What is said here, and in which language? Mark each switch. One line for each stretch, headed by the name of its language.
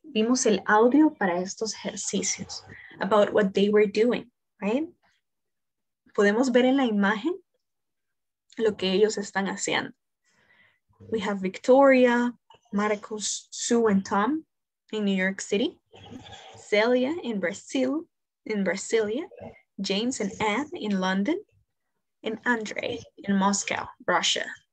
Spanish: Vimos el audio para estos ejercicios
English: about what they were doing, right?
Spanish: Podemos ver en la imagen lo que ellos están haciendo.
English: We have Victoria, Marcos, Sue and Tom in New York City, Celia in Brazil, in Brasilia, James and Anne in London, and Andre in Moscow, Russia.